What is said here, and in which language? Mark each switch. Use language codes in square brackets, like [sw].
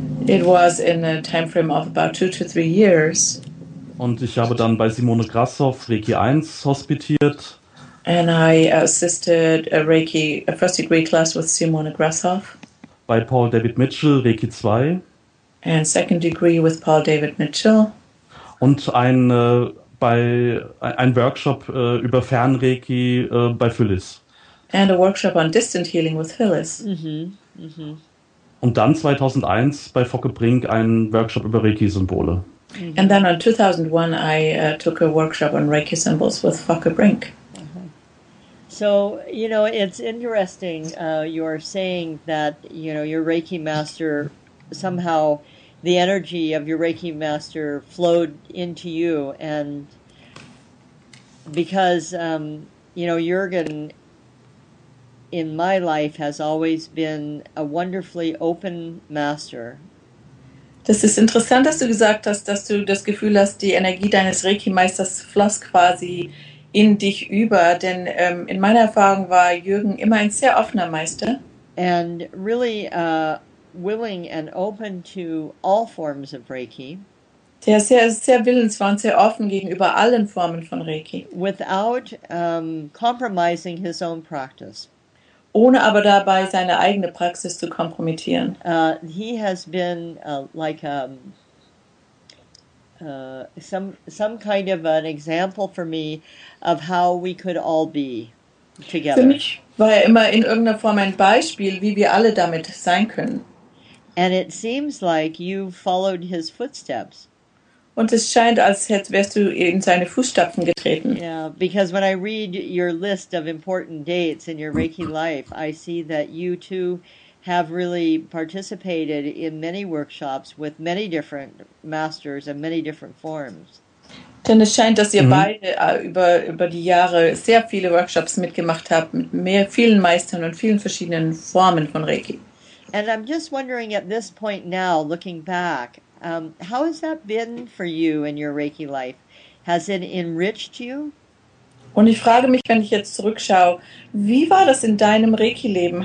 [en] It was in a time frame of about 2 to 3 years. [de] Und ich habe dann bei Simone Grassoff Reiki 1 hospitiert. [en] And I assisted a first degree class with Simone Grassoff. [de] Bei Paul David Mitchell Reiki 2. [en] And second degree with Paul David Mitchell. [de] Und ein Workshop über Fernreiki bei Phyllis. [en] And a workshop on distant healing with Phyllis. Mhm. [de] Und dann 2001 bei Focke Brink ein Workshop über Reiki-Symbole. Mm-hmm. [en] And then in 2001 I took a workshop on Reiki symbols with Focke Brink. So, you know, it's interesting you're saying that, you know, your Reiki master... Somehow, the energy of your Reiki master flowed into you, and because you know, Jürgen in my life has always been a wonderfully open master. [de] Das ist interessant, dass du gesagt hast, dass du das Gefühl hast, die Energie deines Reiki Meisters floss quasi in dich über, denn in meiner Erfahrung war Jürgen immer ein sehr offener Meister. [en] And really willing and open to all forms of Reiki. [de] Der sehr, sehr willens war und sehr offen gegenüber allen Formen von Reiki. [en] Without compromising his own practice. [de] Ohne aber dabei seine eigene Praxis zu kompromittieren. [en] He has been like some kind of an example for me of how we could all be together. [de] Für mich war er immer in irgendeiner Form ein Beispiel, wie wir alle damit sein können. [en] And it seems like you followed his footsteps. [de] Und es scheint, als wärst du in seine Fußstapfen getreten. [en] Yeah, because when I read your list of important dates in your Reiki life, I see that you too have really participated in many workshops with many different masters and many different forms. [de] Denn es scheint, dass ihr beide über die Jahre sehr viele Workshops mitgemacht habt, mit vielen Meistern und vielen verschiedenen Formen von Reiki. [en] And I'm just wondering at this point now, looking back, how has that been for you in your Reiki life? Has it enriched you? [de] Und ich frage mich, wenn ich jetzt zurückschaue, wie war das in deinem Reiki-Leben?